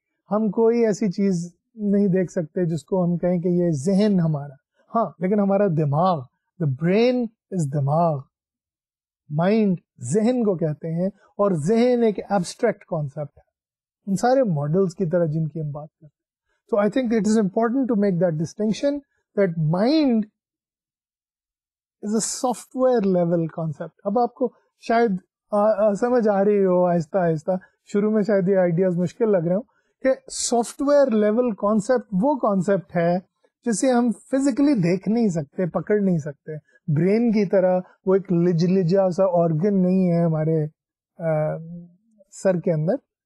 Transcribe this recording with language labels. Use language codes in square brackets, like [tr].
[ur] ہم کوئی ایسی چیز نہیں دیکھ سکتے جس کو ہم کہیں کہ یہ ذہن ہمارا. ہاں, لیکن ہمارا دماغ, [en] the brain is [ur] دماغ, mind ذہن کو کہتے ہیں, اور ذہن ایک abstract concept ہے ان سارے models کی طرح جن کی ہم بات کرتے ہیں. [en] So I think it is important to make that distinction that mind is a software level concept. [ur] اب آپ کو شاید سمجھ آ رہی ہو آہستہ آہستہ, شروع میں شاید یہ آئیڈیاز مشکل لگ رہے ہوں, کہ سافٹ ویئر لیول کانسیپٹ وہ کانسیپٹ ہے جسے ہم فزیکلی دیکھ نہیں سکتے, پکڑ نہیں سکتے. برین کی طرح وہ ایک لجلجا سا آرگن نہیں ہے ہمارے سر کے اندر.